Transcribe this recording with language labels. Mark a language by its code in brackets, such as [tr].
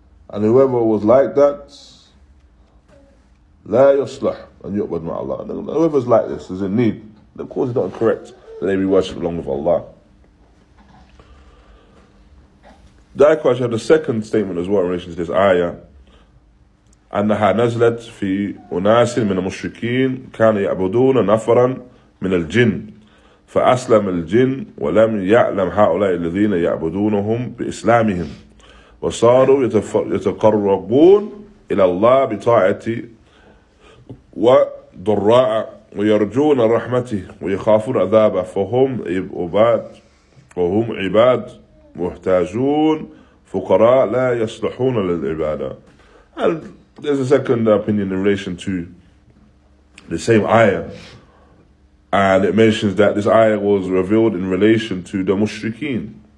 [en] And whoever was like that, [ar] la yuslah, an yu'bad ma'Allah. [en] Whoever's like this is in need. Of course it's not correct that they be worshipped along with Allah. Likewise, you have the second statement as well in relation to this ayah. [ar] أنها نزلت في أناس من المشركين كانوا يعبدون نفرا من الجن فأسلم الجن ولم يعلم هؤلاء الذين يعبدونهم بإسلامهم وصاروا يتقربون إلى الله بطاعة وضراء ويرجون رحمته ويخافون عذابه فهم عباد وهم عباد محتاجون فقراء لا يصلحون للعبادة. [en] There's a second opinion in relation to the same ayah. And it mentions that this ayah was revealed in relation to the mushrikeen.